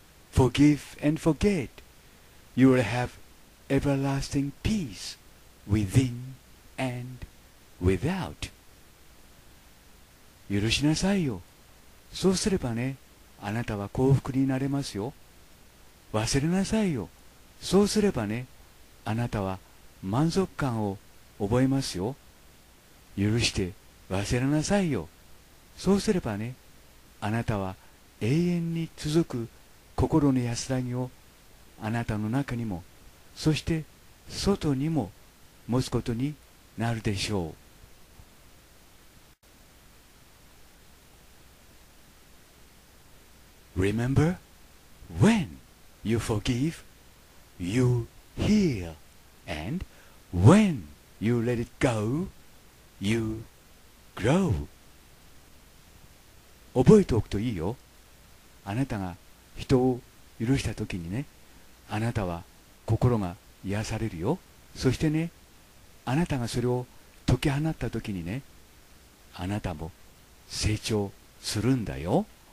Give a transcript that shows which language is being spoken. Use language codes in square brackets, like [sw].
[en] Forgive and forget, you will have everlasting peace within and without. [ja] 許しなさいよ。そうすればね、あなたは幸福になれますよ。忘れなさいよ。そうすればね、あなたは満足感を覚えますよ。許して忘れなさいよ。そうすればね、あなたは永遠に続く心の安らぎをあなたの中にも、そして外にも持つことになるでしょう。 [en] Remember, when you forgive, you heal, and when you let it go, you grow. [ja] 覚えておくといいよ。あなたが人を許したときにね、あなたは心が癒されるよ。そしてね、あなたがそれを解き放ったときにね、あなたも成長するんだよ。